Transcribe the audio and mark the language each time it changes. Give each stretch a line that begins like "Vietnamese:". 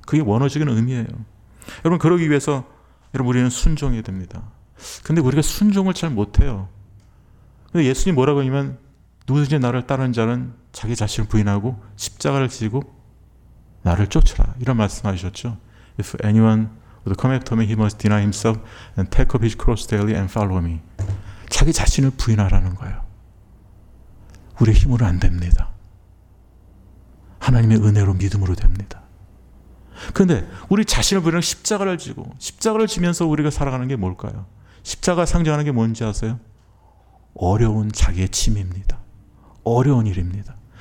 Korean: 그게 원어적인 의미예요. 여러분, 그러기 위해서 여러분 우리는 순종해야 됩니다. 근데 우리가 순종을 잘 못해요. 근데 예수님 뭐라고 하냐면 누구든지 나를 따르는 자는 자기 자신을 부인하고 십자가를 지고 나를 쫓으라. 이런 말씀하셨죠.
English: If anyone would come after me, he must deny himself and take up his cross daily and follow me.
Korean: 자기 자신을 부인하라는 거예요. 우리의 힘으로 안 됩니다. 하나님의 은혜로 믿음으로 됩니다. 그런데 우리 자신을 부인하고 십자가를 지고 십자가를 지면서 우리가 살아가는 게 뭘까요? 십자가 상징하는 게 뭔지 아세요? 어려운 자기의 짐입니다. 어려운 일입니다.